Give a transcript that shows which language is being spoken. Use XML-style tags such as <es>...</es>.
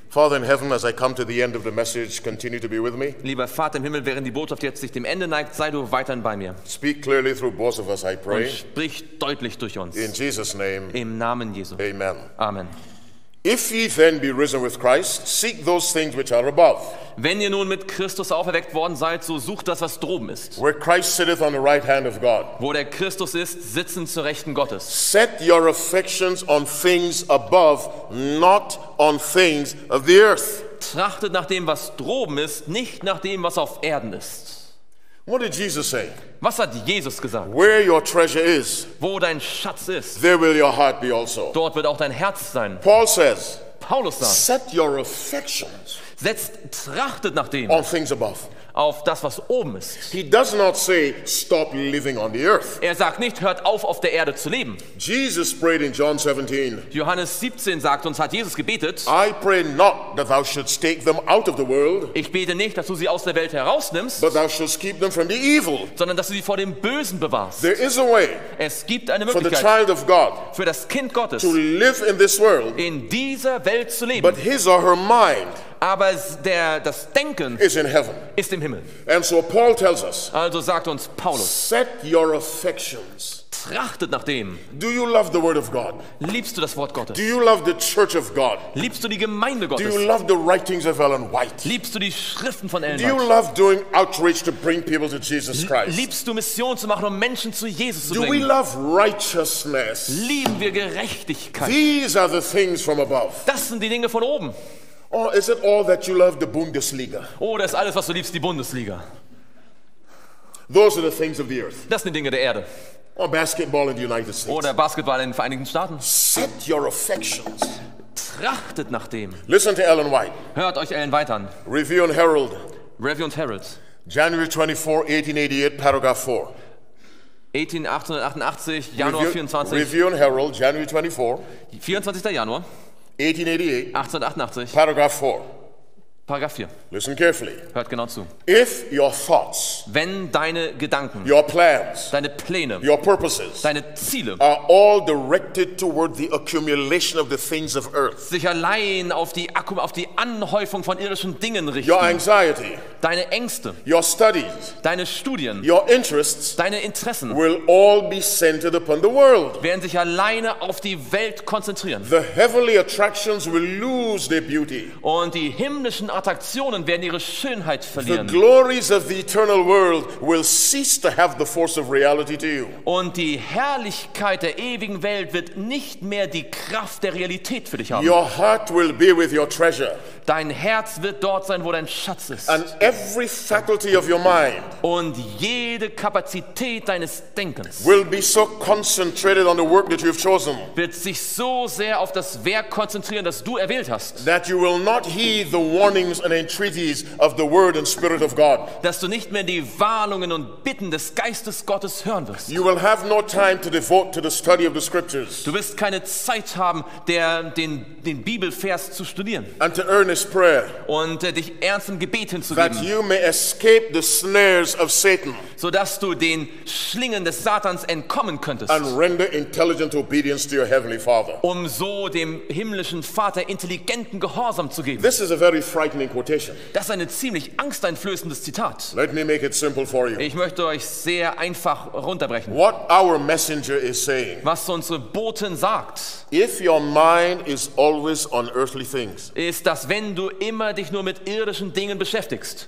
<en>Father in heaven, as I come to the end of the message, continue to be with me.</en> <de>Lieber Vater im Himmel, während die Botschaft jetzt sich dem Ende neigt, sei du weiterhin bei mir.</de> <en>Speak clearly through both of us, I pray.</en> <de>Und sprich deutlich durch uns.</de> <en>In Jesus' name.</en> <de>Im Namen Jesu.</de> <en>Amen.</en> <de>Amen.</de> <en>If ye then be risen with Christ, seek those things which are above.</en> <de>Wenn ihr nun mit Christus auferweckt worden seid, so sucht das, was droben ist.</de> <en>Where Christ sitteth on the right hand of God.</en> <de>Wo der Christus ist, sitzen zur Rechten Gottes.</de> <en>Set your affections on things above, not on things of the earth.</en> <de>Trachtet nach dem, was droben ist, nicht nach dem, was auf Erden ist.</de> <en>What did Jesus say?</en> <de>Was hat Jesus gesagt?</de> <en>Where your treasure is,</en> <de>wo dein Schatz ist,</de> <en>there will your heart be also.</en> <de>Dort wird auch dein Herz sein.</de> <en>Paul says,</en> <de>Paulus sagt,</de> <en>set your affections,</en> <de>setzt, trachtet nach dem,</de> <en>on things above,</en> <de>auf das, was oben ist.</de> <en>He does not say, stop living on the earth.</en> <de>Er sagt nicht, hört auf der Erde zu leben.</de> <en>Jesus prayed in John 17.</en> <de>Johannes 17 sagt uns, hat Jesus gebetet.</de> <en>I pray not that thou shouldst take them out of the world.</en> <de>Ich bete nicht, dass du sie aus der Welt herausnimmst.</de> <en>But thou shouldst keep them from the evil.</en> <de>Sondern dass du sie vor dem Bösen bewahrst.</de> <en>There is a way.</en> <de>Es gibt eine Möglichkeit.</de> <en>For the child of God.</en> <de>Für das Kind Gottes.</de> <en>To live in this world.</en> <de>In dieser Welt zu leben.</de> <en>But his or her mind.</en> <de>Aber das Denken</de> <en>is in heaven.</en> <de>Ist im Himmel.</de> <en>And so Paul tells us,</en> <de>also sagt uns Paulus,</de> <en>set your affections.</en> <de>Trachtet nach dem.</de> <en>Do you love the word of God?</en> <de>Liebst du das Wort Gottes?</de> <en>Do you love the church of God?</en> <de>Liebst du die Gemeinde Gottes?</de> <en>Do you love the writings of Ellen White?</en> <de>Liebst du die Schriften von Ellen White?</de> <en>Do you love doing outreach to bring people to Jesus Christ?</en> <de>Liebst du Mission zu machen, um Menschen zu Jesus zu bringen?</de> <en>Do we love righteousness?</en> <de>Lieben wir Gerechtigkeit?</de> <en>These are the things from above.</en> <de>Das sind die Dinge von oben.</de> <en>Or is it all that you love the Bundesliga?</en> <de>Oh, das ist alles, was du liebst, die Bundesliga.</de> <en>Those are the things of the earth.</en> <de>Das sind die Dinge der Erde.</de> <en>Or basketball in the United States.</en> <de>Oder Basketball in den Vereinigten Staaten.</de> <en>Set your affections.</en> <de>Trachtet nach dem.</de> <en>Listen to Ellen White.</en> <de>Hört euch Ellen White an.</de> <en>Review and Herald.</en> <de>Review and Herald.</de> <en>January 24, 1888, paragraph 4.</en> <de>1888, Januar 24.</de> <en>Review and Herald, January 24.</en> <de>24. Januar.</de> <en>1888, paragraph 4.</en> <de>Paragraph 4.</de> <en>Listen carefully.</en> <de>Hört genau zu.</de> <en>If your thoughts,</en> <de>wenn deine Gedanken,</de> <en>your plans,</en> <de>deine Pläne,</de> <en>your purposes,</en> <de>deine Ziele,</de> <en>are all directed toward the accumulation of the things of earth,</en> <de>sich allein auf die Anhäufung von irdischen Dingen richten,</de> <en>your anxiety,</en> <de>deine Ängste,</de> <en>your studies,</en> <de>deine Studien,</de> <en>your interests,</en> <de>deine Interessen,</de> <en>will all be centered upon the world,</en> <de>werden sich alleine auf die Welt konzentrieren.</de> <en>The heavenly attractions will lose their beauty,</en> <de>und die himmlischen Attraktionen werden ihre Schönheit verlieren.</de> <en>The glories of the eternal world will cease to have the force of reality to you.</en> <de>Und die Herrlichkeit der ewigen Welt wird nicht mehr die Kraft der Realität für dich haben.</de> <en>Your heart will be with your treasure.</en> <de>Dein Herz wird dort sein, wo dein Schatz ist.</de> <en>And every faculty of your mind.</en> <de>Und jede Kapazität deines Denkens.</de> <en>Will be so concentrated on the work that you've chosen.</en> <de>Wird sich so sehr auf das Werk konzentrieren, das du erwählt hast.</de> <en>That you will not heed the warnings and entreaties of the Word and Spirit of God.</en> <de>Dass du nicht mehr die Warnungen und Bitten des Geistes Gottes hören wirst.</de> <en>You will have no time to devote to the study of the Scriptures.</en> <de>Du wirst keine Zeit haben, den Bibelvers zu studieren.</de> <en>And to earnest prayer.</en> <de>Und dich ernstem Gebet hinzugeben.</de> <en>That you may escape the snares of Satan.</en> <de>So dass du den Schlingen des Satans entkommen könntest.</de> <en>And render intelligent obedience to your heavenly Father.</en> <de>Um so dem himmlischen Vater intelligenten Gehorsam zu geben.</de> <en>This is a very frightening quotation.</en> <de>Das ist ein ziemlich angsteinflößendes Zitat.</de> <en>Let me make it simple for you.</en> <de>Ich möchte euch sehr einfach runterbrechen.</de> <en>What our messenger is saying.</en> <de>Was unsere Boten sagt.</de> <en>If your mind is always on earthly things.</en> <de>Ist, dass wenn du immer dich nur mit irdischen Dingen beschäftigst.</de>